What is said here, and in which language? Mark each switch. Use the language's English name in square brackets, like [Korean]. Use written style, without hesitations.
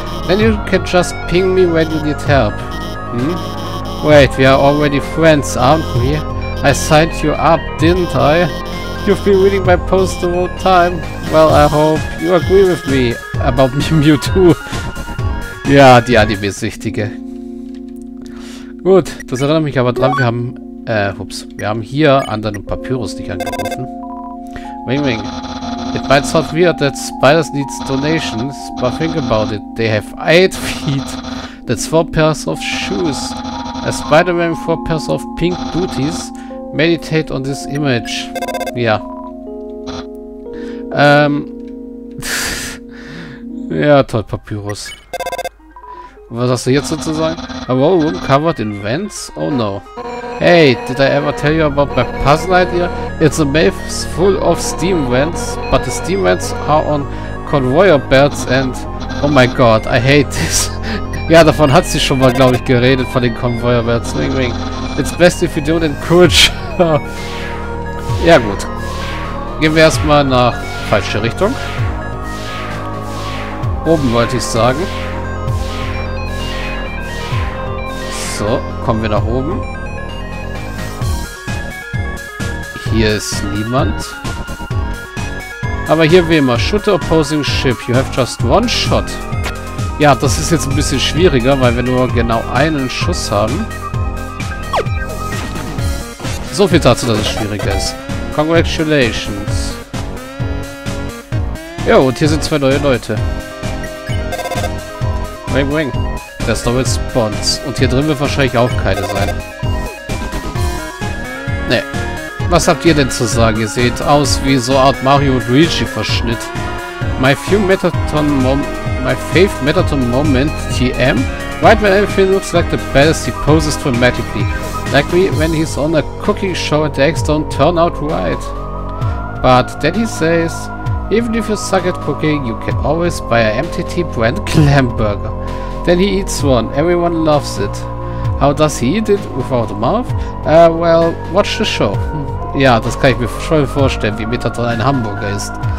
[English] Then you can just ping me when you need help. Hm? Wait, we are already friends, aren't we? I signed you up, didn't I? You've been reading my post the whole time. Well, I hope you agree with me about Mewtwo. [German] Ja, die Anime-Süchtige. Gut, das erinnert mich aber dran, wir haben Ups. Wir haben hier Andern und Papyrus nicht angerufen. Wing Wing. [English] It might sound weird that spiders need donations, but think about it. They have 8 feet. That's 4 pairs of shoes. A spider wearing 4 pairs of pink booties. Meditate on this image. [German] Ja. ja, toll, Papyrus. Was hast du jetzt sozusagen? [English] A room covered in vents? Oh no. Hey, did I ever tell you about my puzzle idea? It's a maze full of steam vents, but the steam vents are on conveyor belts and... Oh my god, I hate this. [German] Ja, davon hat sie schon mal, glaube ich, geredet, von den conveyor belts. [English] Wing, wing. It's best if you don't encourage her. [German] Ja, gut. Gehen wir erstmal nach falsche Richtung. Oben wollte ich sagen. So, kommen wir nach oben. Hier ist niemand. Aber hier wie immer. [English] Shoot the opposing ship. You have just one shot. [German] Ja, das ist jetzt ein bisschen schwieriger, weil wir nur genau einen Schuss haben. So viel dazu, dass es schwieriger ist. [English] Congratulations. [German] Ja, und hier sind zwei neue Leute. Wing wing. Das ist Double Spawns. Und hier drin wird wahrscheinlich auch keine sein. Ne. Was habt ihr denn zu sagen? Ihr seht aus wie so Art Mario und Luigi Verschnitt. [English] My Faith Metaton Moment TM. Right when everything looks like the best, he poses dramatically. Like when he's on a cooking show and the eggs don't turn out right. But then he says, even if you suck at cooking, you can always buy a MTT brand clam burger. Then he eats one. Everyone loves it. How does he eat it without a mouth? Well, watch the show. [German] Ja, das kann ich mir schon vorstellen, wie Metaton ein Hamburger ist.